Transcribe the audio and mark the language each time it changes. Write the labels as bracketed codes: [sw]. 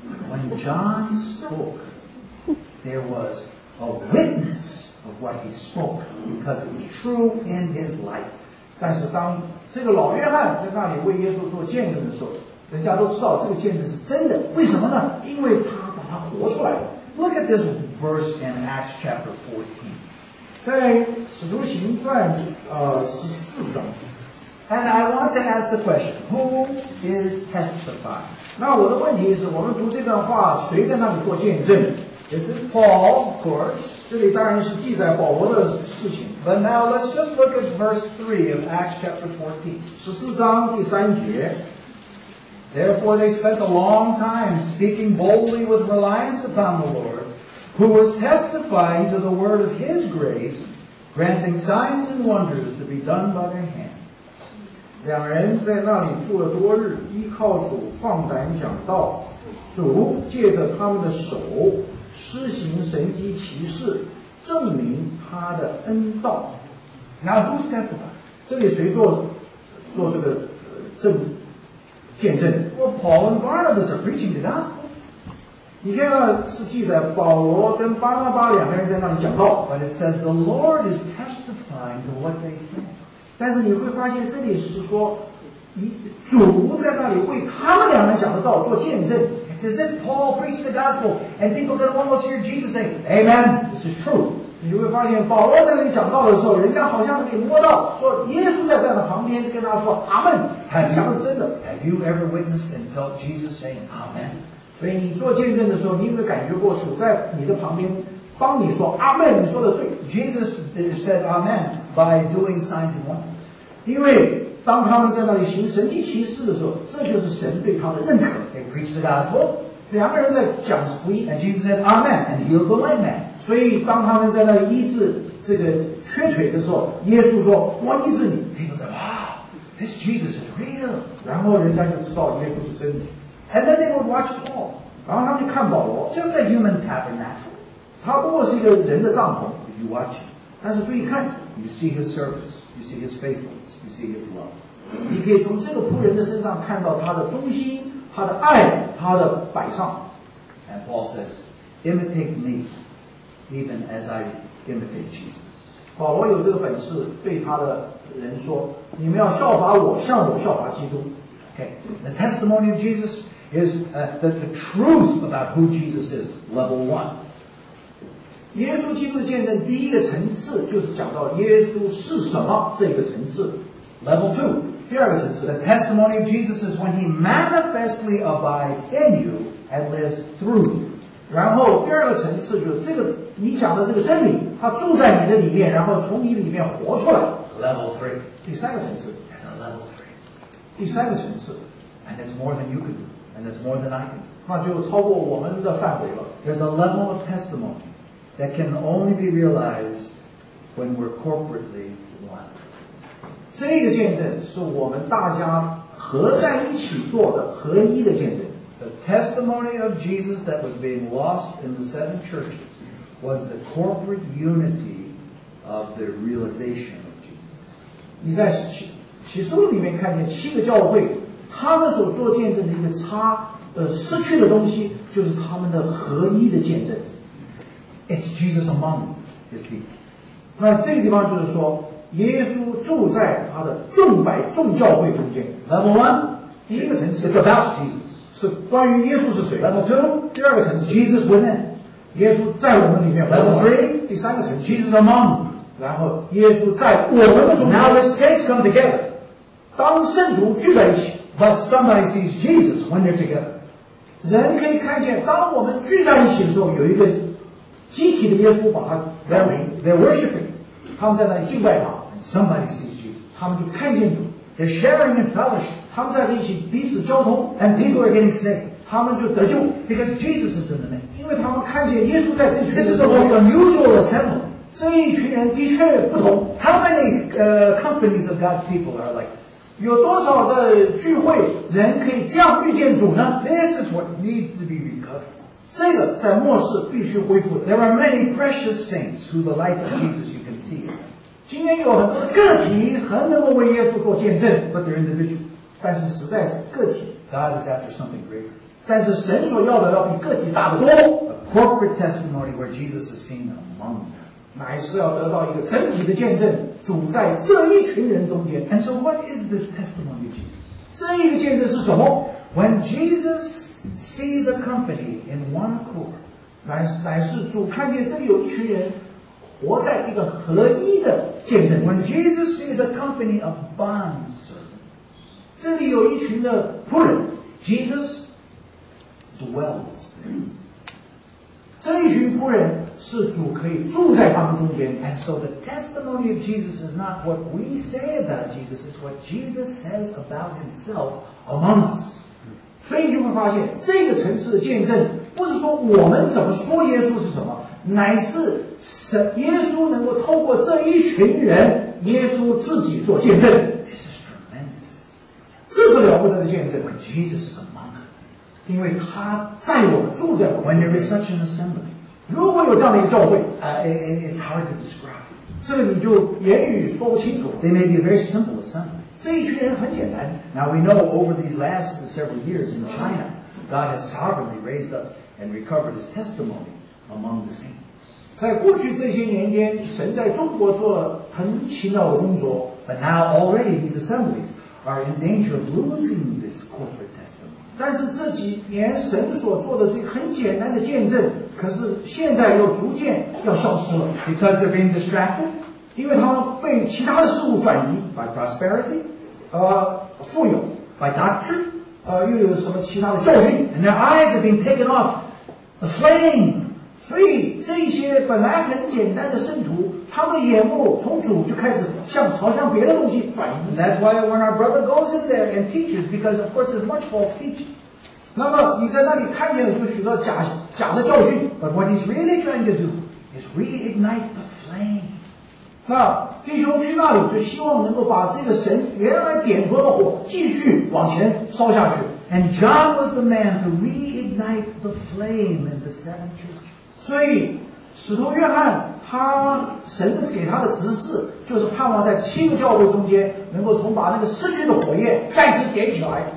[en] When John spoke, there was a witness of what he spoke because it was true in his life. [zh] 但是当这个老约翰在那里为耶稣做见证的时候，人家都知道这个见证是真的。为什么呢？因为他把它活出来了。 [en] Look at this verse in Acts chapter 14. [zh] 在使徒行传14章。 [en] And I want to ask the question, who is testifying? [zh] 那我的问题是，我们读这段话，谁在那里做见证？ [en] This is Paul, of course. [zh] 这里当然是记载保罗的事情。 [en] But now let's just look at verse 3 of Acts chapter 14. [zh] 14章第三节。 [en] Therefore they spent a long time speaking boldly with reliance upon the Lord, who was testifying to the word of his grace, granting signs and wonders to be done by their hands. [zh] 两人在那里住了多日，依靠主放胆讲道，主借着他们的手施行神迹奇事，证明他的恩道。 [en] Now who's testifying? [zh] 这里谁做这个证明见证？ [en] Well, Paul and Barnabas are preaching the gospel. [zh] 你看那是记载保罗跟巴拿巴两个人在那里讲道。 [en] But it says the Lord is testifying to what they say. [zh] 但是你会发现这里是说，主在那里为他们两人讲的道做见证。 [en] It's as if Paul preached the gospel and people then almost hear Jesus saying, Amen, this is true. [zh] 你会发现保罗在那里讲道的时候，人家好像给摸到，说耶稣在他旁边跟他说阿们，讲的是真的。 [en] Have you ever witnessed and felt Jesus saying Amen? [zh] 所以你做见证的时候，你有没有感觉过主在你的旁边帮你说阿们，你说的对。 [en] Jesus said Amen by doing signs and wonders. [zh] 因为当他们在那里行神迹奇事的时候，这就是神对他的认可。 [en] They preached the gospel. [zh] 两个人在讲福音。 [en] And Jesus said Amen and healed the lame man. [zh] 所以当他们在那医治这个瘸腿的时候，耶稣说我医治你。 [en] People say, wow, this Jesus is real. [zh] 然后人家就知道耶稣是真的。 [en] And then they would watch Paul. [zh] 然后他们就看保罗。 [en] Just a human tabernacle. [zh] 他不过是一个人的帐篷。 [en] You watch him. [zh] 但是注意看。 [en] You see his service. You see his faithfulness. You see his love. [zh] 你可以从这个仆人的身上看到他的忠心，他的爱，他的摆上。 [en] And Paul says, imitate me. Even as I imitate Jesus. [zh] 保罗有这个本事对他的人说，你们要效法我，像我效法基督。 [en] Okay. The testimony of Jesus is the truth about who Jesus is, level one. [zh] 耶稣基督的见证第一个层次就是讲到耶稣是什么这个层次。 [en] Level two. [zh] 第二个层次。 [en] The testimony of Jesus is when he manifestly abides in you and lives through you. [zh] 然后第二个层次就是这个你讲的这个真理，它住在你的里面，然后从你里面活出来。 [en] Level three， [zh] 第三个层次。 [en] That's a level three， [zh] 第三个层次。 [en] And it's more than you can do， and it's more than I can do。 [zh] 那就超过我们的范围了。 [en] There's a level of testimony that can only be realized when we're corporately one。 [zh] 这个见证是我们大家合在一起做的合一的见证。 [en] The testimony of Jesus that was being lost in the seven churches was the corporate unity of the realization of Jesus. [zh] 你在启示录里面看见七个教会，他们所做见证的一个失去的东西，就是他们的合一的见证。 [en] It's Jesus among his people. [zh] 那这个地方就是说，耶稣住在他的众百众教会中间。 [en] Number one, [zh] 第一个层次 [en] about Jesus. [zh] 是关于耶稣是谁。 [en] Level two, [zh] 第二个层次 [en] ，Jesus within, [zh] 耶稣在我们里面。 [en] Level three, [zh] 第三个层次 [en] Jesus among. [zh] 然后耶稣在我们的中间。 [en] Now the saints come together. [zh] 当圣徒聚在一起。 [en] But somebody sees Jesus when they're together. [zh] 人可以看见，当我们聚在一起的时候，有一个集体的耶稣把他认为 [en] they're worshiping. [zh] 他们在那里敬拜他。 [en] Somebody sees Jesus. [zh] 他们就看见主。 [en] They're sharing in fellowship. [zh] 他们在一起彼此交通。 [en] And people are getting saved. [zh] 他们就得救。 [en] Because Jesus is in the name. [zh] 因为他们看见耶稣在这群人。 [en] This is the most unusual assembly. [zh] 这一群人的确不同。 [en] How many, companies of God's people are like this? [zh] 有多少的聚会人可以这样遇见主呢？ [en] This is what needs to be recovered. [zh] 这个在末世必须恢复的。 [en] There are many precious saints who the life of Jesus you can see. [zh] 今天有很多个体很能够为耶稣做见证 [en] but they're individual [zh] 但是实在是个体 [en] God is after something greater [zh] 但是神所要的要比个体大得多 [en] A corporate testimony where Jesus is seen among them [zh] 乃是要得到一个整体的见证主在这一群人中间 [en] And so what is this testimony of Jesus? [zh] 这一个见证是什么 [en] When Jesus sees a company in one accord [zh] 乃是主看见这里有一群人活在一个合一的见证。 [en] When Jesus sees a company of bondservants, [zh] 这里有一群的仆人。 [en] Jesus dwells there. [zh] 这一群仆人是主可以住在他们中间。 [en] And so the testimony of Jesus is not what we say about Jesus, it's what Jesus says about himself among us. [zh] 所以你会发现，这个层次的见证不是说我们怎么说耶稣是什么。乃是耶稣能够透过这一群人耶稣自己做见证 [en] This is tremendous [zh] 这是了不得的见证 [en] When Jesus is among us [zh] 因为他在我们住在我们 [en] When there is such an assembly [zh] 如果有这样的一个教会 [en] It's hard to describe [zh] 这个你就言语说不清楚 [en] They may be a very simple assembly [zh] 这一群人很简单 [en] Now we know over these last several years in China God has sovereignly raised up and recovered his testimony Among the saints. [zh] 在过去这些年间，神在中国做了很奇妙的工作。 [en] But now already these assemblies are in danger of losing this corporate testimony. [zh] 但是这几年神所做的这很简单的见证，可是现在又逐渐要消失了。 [en] Because they're being distracted. [zh] 因为他们被其他的事物转移。 [en] By prosperity. [zh] 富有。 [en] By doctrine. [zh] 又有什么其他的教训。 [en] And their eyes have been taken off the flame. [zh] 所以这些本来很简单的圣徒他们的眼目从主就开始向朝向别的东西转移 [en] That's why when our brother goes in there and teaches because of course there's much false teaching [zh] 那么你在那里看见了就许多 假的教训 [en] But what he's really trying to do is reignite the flame [zh] 那弟兄去那里就希望能够把这个神原来点着的火继续往前烧下去 [en] And John was the man to reignite the flame in the seven churches [zh] 所以使徒约翰他神给他的指示就是盼望在七个教会中间能够从把那个失去的火焰再次点起来